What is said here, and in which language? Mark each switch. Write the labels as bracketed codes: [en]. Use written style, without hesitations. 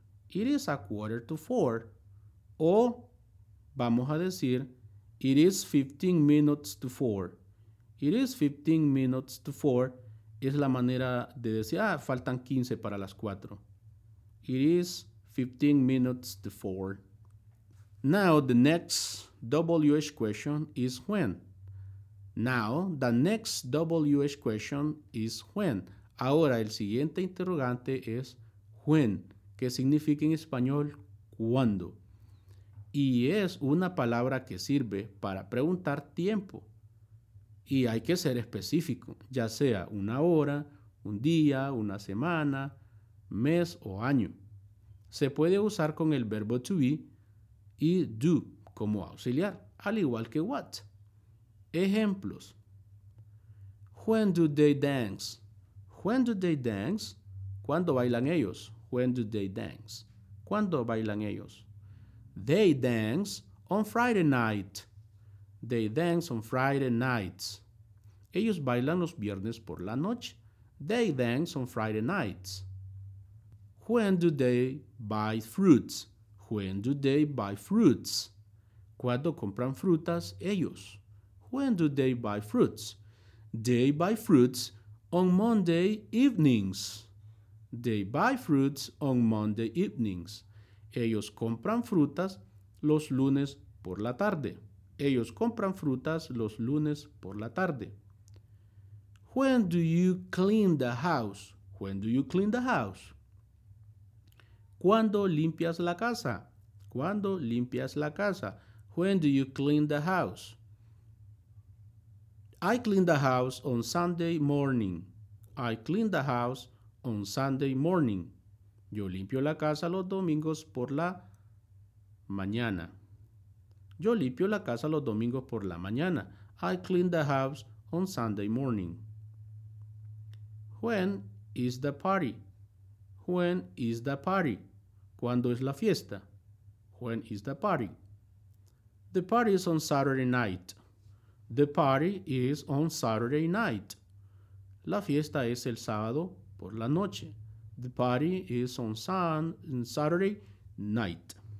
[en] It is 3:45. [es] O vamos a decir, [en] it is 4:15. It is 4:15. [es] Es la manera de decir, faltan 15 para las 4. [en] It is 4:15. Now the next WH question is when. Now the next WH question is when. [es] Ahora el siguiente interrogante es when, que significa en español cuándo. Y es una palabra que sirve para preguntar tiempo. Y hay que ser específico, ya sea una hora, un día, una semana, mes o año. Se puede usar con el verbo to be y do como auxiliar, al igual que what. [en] Ejemplos. When do they dance? When do they dance? [es] ¿Cuándo bailan ellos? [en] When do they dance? [es] ¿Cuándo bailan ellos? [en] They dance on Friday night. They dance on Friday nights. [es] Ellos bailan los viernes por la noche. [en] They dance on Friday nights. When do they buy fruits? When do they buy fruits? [es] ¿Cuándo compran frutas ellos? [en] When do they buy fruits? They buy fruits on Monday evenings. They buy fruits on Monday evenings. [es] Ellos compran frutas los lunes por la tarde. Ellos compran frutas los lunes por la tarde. [en] When do you clean the house? When do you clean the house? [es] ¿Cuándo limpias la casa? ¿Cuándo limpias la casa? [en] When do you clean the house? I clean the house on Sunday morning. I clean the house on Sunday morning. [es] Yo limpio la casa los domingos por la mañana. Yo limpio la casa los domingos por la mañana. [en] I clean the house on Sunday morning. When is the party? When is the party? [es] ¿Cuándo es la fiesta? [en] When is the party? The party is on Saturday night. The party is on Saturday night. [es] La fiesta es el sábado por la noche. [en] The party is on Saturday night.